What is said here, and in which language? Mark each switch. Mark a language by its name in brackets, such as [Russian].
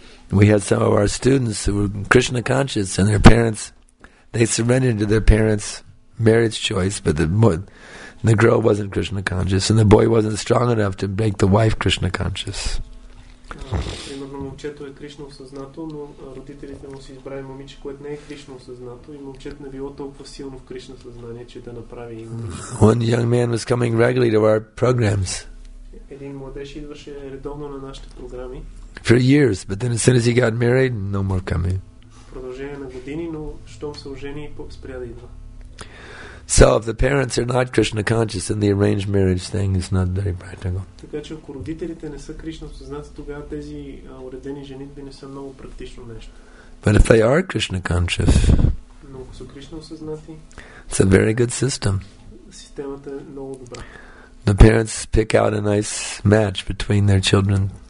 [English] We had some of our students who were Krishna conscious, and their parents. They surrendered to their parents' marriage choice, but the girl wasn't Krishna conscious, and the boy wasn't strong enough to make the wife Krishna conscious. [Bulgarian] Примерно момчето е Кришна осъзнато, но родителите му си избрали момиче, което не е Кришна осъзнато, и момчето не било толкова силно в Кришна съзнание, че да направи. [English] One young man was coming regularly to our programs. [Bulgarian] Един младеж идваше редовно на нашите програми. [English] For years, but then as soon as he got married, no more coming. [Bulgarian] продължение на години, но щом се ожени, спря да идва. [English] So if the parents are not Krishna conscious, then the arranged marriage thing is not very practical. [Bulgarian] Така че ако родителите не са Кришна съзнати, тогава тези уредени женитби не са много практично нещо. [English] But if they are Krishna conscious, [Bulgarian] но ако са Кришна съзнати, [English] it's a very good system. [Bulgarian] Системата е много добра. [English] The parents pick out a nice match between their children.